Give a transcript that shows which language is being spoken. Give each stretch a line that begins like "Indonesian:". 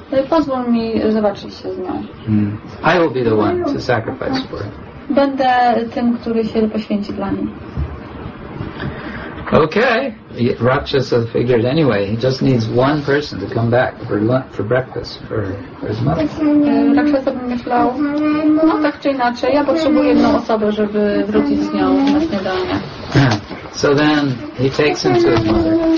Polish: Pozwól mi zobaczyć się z nią.
English: I will be the one to sacrifice for her.
Polish: Będę tym, który się poświęci dla niej.
English: Okay. Rakshasa figured anyway. He just needs one person to come back for breakfast for his mother.
Polish: Rakshasa by myślał, no tak czy inaczej, ja potrzebuję jedną osobę, żeby wrócić z nią na śniadanie.
English: So then he takes him to his mother.